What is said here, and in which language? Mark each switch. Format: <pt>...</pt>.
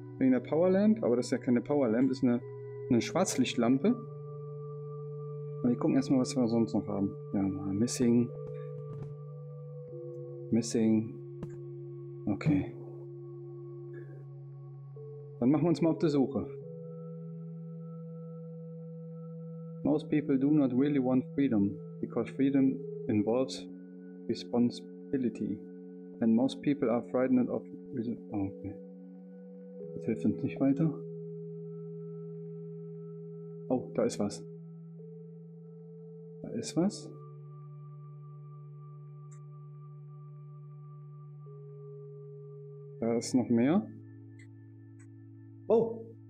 <de>Wegen der Powerlamp, aber das ist ja keine Powerlamp, das ist eine Schwarzlichtlampe. Aber wir gucken erstmal, was wir sonst noch haben. Ja, mal Missing.</de> <en>Missing. Okay.</en> <de>Dann machen wir uns mal auf die Suche.</de> <en>Most people do not really want freedom, because freedom involves responsibility. And most people are frightened of... Okay.</en> <de>Das hilft uns nicht weiter. Oh, da ist was. Da ist was. Da ist noch mehr. Oh!</de>